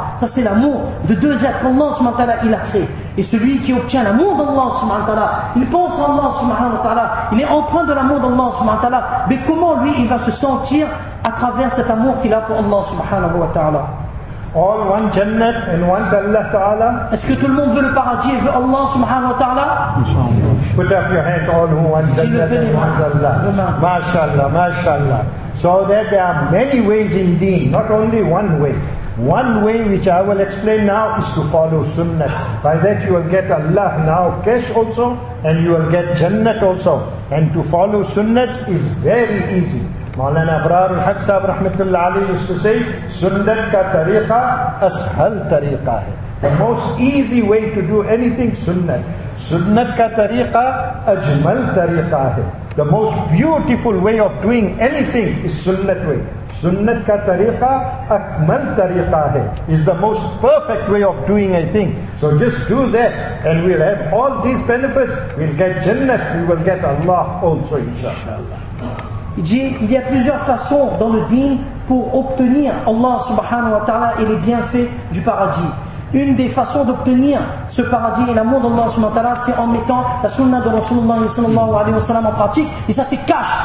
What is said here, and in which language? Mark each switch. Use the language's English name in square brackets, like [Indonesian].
[French] Ça c'est l'amour de deux êtres qu'Allah subhanahu wa ta'ala il a créé. Et celui qui obtient l'amour d'Allah subhanahu wa ta'ala, il pense à Allah subhanahu wa ta'ala, il est empreint de l'amour d'Allah subhanahu wa ta'ala, mais comment lui il va se sentir à travers cet amour qu'il a pour Allah subhanahu wa ta'ala? [English] All one jannat and one Allah Ta'ala. [French] Est-ce que tout le monde veut le paradis et veut Allah subhanahu wa ta'ala? [English] Put up your hands, all who want jannat and one Allah. Mashallah, mashallah. So that there are many ways in deen, not only one way. One way which I will explain now is to follow Sunnah. By that you will get Allah now cash also, and you will get Jannat also. And to follow Sunnah is very easy. Maulana Abrar al-Haq sahab rahmatullah alayhi used to say, [Urdu] Sunnat ka tariqa ashal tariqa hai. [English] The most easy way to do anything, Sunnat. [Urdu] Sunnat ka tariqa ajmal tariqa hai. [English] The most beautiful way of doing anything is Sunnat way. [Urdu] Sunnat ka tariqa akmal tariqa hai. [English] Is the most perfect way of doing a thing. So just do that and we'll have all these benefits. We'll get Jannat, we will get Allah also, inshaAllah. [French] Il dit, il y a plusieurs façons dans le din pour obtenir Allah subhanahu wa ta'ala et les bienfaits du paradis. Une des façons d'obtenir ce paradis et l'amour d'Allah subhanahu wa ta'ala, c'est en mettant la sunna de Rasulullah sallallahu alayhi wa sallam en pratique. Et ça c'est cash.